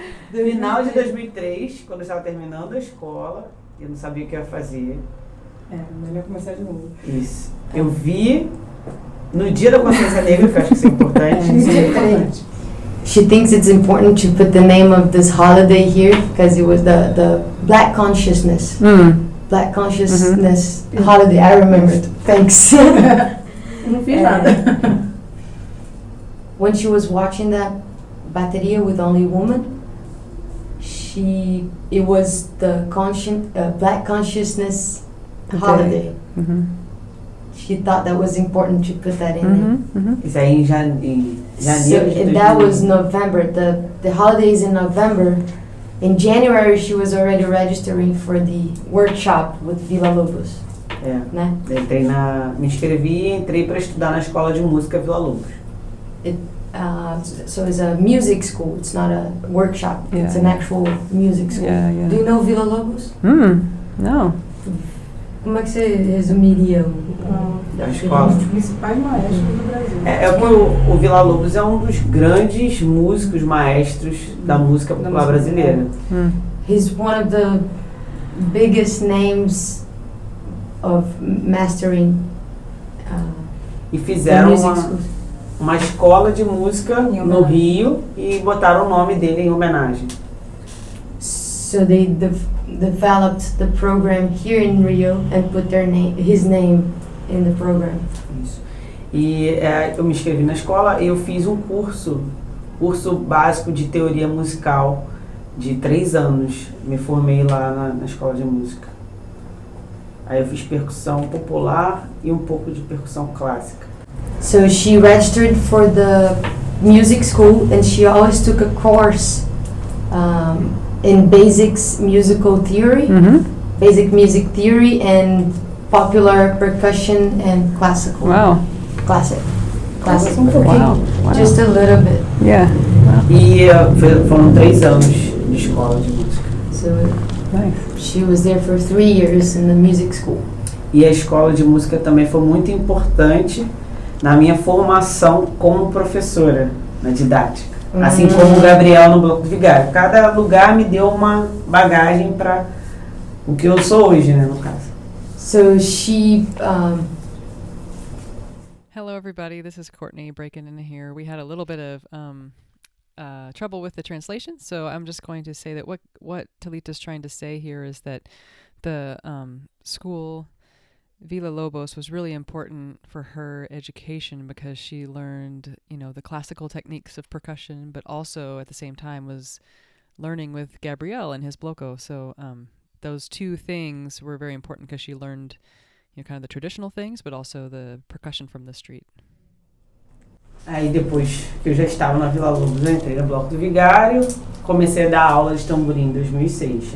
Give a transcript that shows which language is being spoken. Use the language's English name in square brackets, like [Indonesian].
[Portuguese] Final de 2003, quando eu estava terminando a escola, eu não sabia o que ia fazer. É, melhor começar de novo. Isso. Eu vi. No dia da consciência negra, que eu acho que isso é importante. [English] She thinks it's important to put the name of this holiday here because it was the Black Consciousness. Mm. Black Consciousness mm-hmm. holiday, I remembered. Thanks. [Portuguese] Não fiz nada. [English] When she was watching that bateria with Only Woman, it was the Black Consciousness okay. holiday. Mm-hmm. She thought that was important to put that in. Is that in January? That was November. The holiday is in November. In January, she was already registering for the workshop with Vila Lobos. Yeah. [Portuguese] Entrei na, me inscrevi e entrei para estudar na escola de música Vila Lobos. [English] So it's a music school. It's not a workshop. Yeah. It's an actual music school. Yeah, yeah. Do you know Vila Lobos? No. [Portuguese] Como é que você resumiria a escola? Os principais maestros do Brasil. É porque o Vila Lobos é um dos grandes músicos maestros da música popular brasileira. [English] He's one of the biggest names of mastering. [Portuguese] E fizeram uma escola de música no Rio e botaram o nome dele em homenagem. [English] So developed the program here in Rio and put their his name in the program. [Portuguese] Isso. E eu me inscrevi na escola e eu fiz um curso básico de teoria musical de 3 anos. Me formei lá na escola de música. Aí eu fiz percussão popular e um pouco de percussão clássica. [English] So she registered for the music school and she always took a course in basics musical theory, mm-hmm. basic music theory, and popular percussion and classical. Wow. Classic. Wow. Just a little bit. Yeah. [Portuguese] E foram 3 anos de escola de música. [English] So, she was there for 3 years in the music school. [Portuguese] E a escola de música também foi muito importante na minha formação como professora, na didática. Assim como o Gabriel no bloco de vigário. Cada lugar me deu uma bagagem para o que eu sou hoje, né, no caso. [English] So she Hello everybody. This is Courtney breaking in here. We had a little bit of trouble with the translation, so I'm just going to say that what Thalita's trying to say here is that the school Vila Lobos was really important for her education because she learned, you know, the classical techniques of percussion, but also at the same time was learning with Gabriel and his bloco. So those two things were very important because she learned, you know, kind of the traditional things, but also the percussion from the street. [Portuguese] Aí depois que eu já estava na Vila Lobos, eu entrei no bloco do vigário, comecei a dar aula de tamborim em 2006.